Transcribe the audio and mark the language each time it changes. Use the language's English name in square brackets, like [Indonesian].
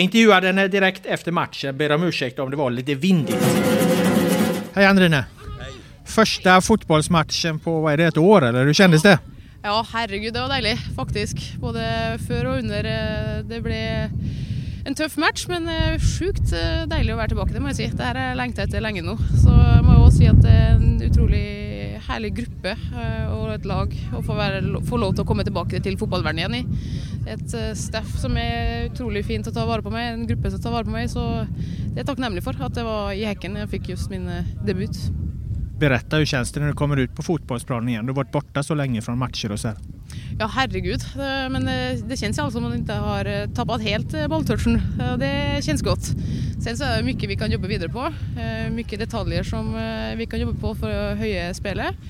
[Swedish] Jag intervjuade henne direkt efter matchen, ber om ursäkt om det var lite vindigt. Hej Andrén. Hej. Första fotbollsmatchen på, vad är det, ett år eller hur kändes det? [Norwegian] Ja, herregud, det var deilig faktiskt, både för och under. [Swedish] Det blev en tuff match, men sjukt deilig att vara tillbaka, det må jeg si. [Norwegian] Det her er lengtet etter lenge nå, så jeg må jo også si at det er en utrolig herlig gruppe og et lag å få lov til å komme tilbake til fotballverden igjen i. Et staff som er utrolig fint å ta vare på meg, en gruppe som tar vare på meg, så det er takknemlig for at det var i Häcken jeg fikk just min debut. [Swedish] Berätta, hur känns det när du kommer ut på fotbollsplanen igen? Du har varit borta så länge från matcher och så här. Ja, herregud. Men det känns ju alltså som att man inte har tappat helt bolltörsen. Det känns gott. Sen så är det mycket vi kan jobba vidare på. Mycket detaljer som vi kan jobba på för att höja spelet.